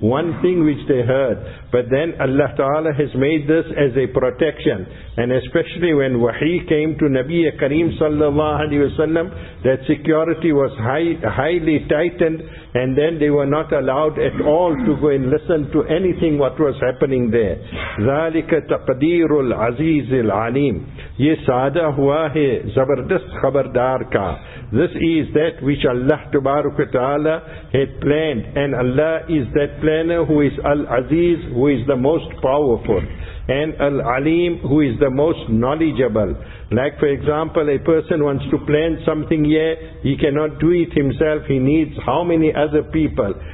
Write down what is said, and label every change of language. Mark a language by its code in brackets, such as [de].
[en] one thing which they heard. But then Allah Ta'ala has made this as a protection. And especially when wahi came to Nabi Kareem Sallallahu Alaihi Wasallam, that security was highly tightened, and then they were not allowed at all to go and listen to anything what was happening there. [ar] ذَلِكَ تَقْدِيرُ الْعَزِيزِ الْعَلِيمِ [ur] یہ سادہ ہوا ہے زبردست خبردار کا. [en] This is that which Allah Tabaraka Ta'ala had planned, and Allah is that planner who is Al-Aziz, who is the most powerful, and Al-Alim, who is the most knowledgeable. Like for example, a person wants to plan something here, he cannot do it himself, he needs how many other people?